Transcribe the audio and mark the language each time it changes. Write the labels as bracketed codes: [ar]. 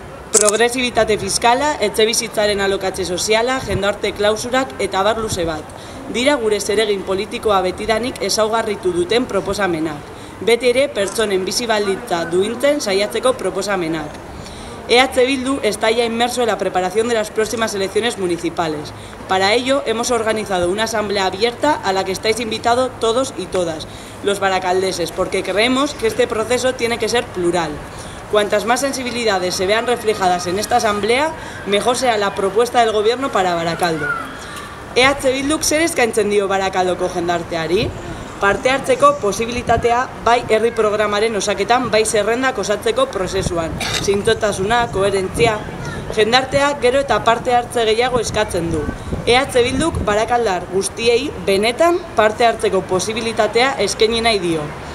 [eu] Progresibitate fiskala, etxe bizitzaren alokatze soziala, jendarte klausurak eta abar luze bat. Dira gure zeregin politikoa betidanik ezaugarritu duten proposamenak. Beti ere pertsonen bizi baldintza duintzen saiatzeko proposamenak. [es] EH Bildu está ya inmerso en la preparación de las próximas elecciones municipales. Para ello, hemos organizado una asamblea abierta a la que estáis invitados todos y todas, los baracaldeses, porque creemos que este proceso tiene que ser plural. Cuantas más sensibilidades se vean reflejadas en esta asamblea, mejor será la propuesta del Gobierno para Barakaldo. [eu] EH Bilduk zer eskaintzen dio Barakaldoko jendarteari? Parte hartzeko posibilitatea bai herri programaren osaketan, bai zerrendak osatzeko prozesuan. Zintzotasuna, koherentzia. Jendartea gero eta parte hartze gehiago eskatzen du. EH Bilduk barakaldar guztiei benetan parte hartzeko posibilitatea eskaini nahi dio.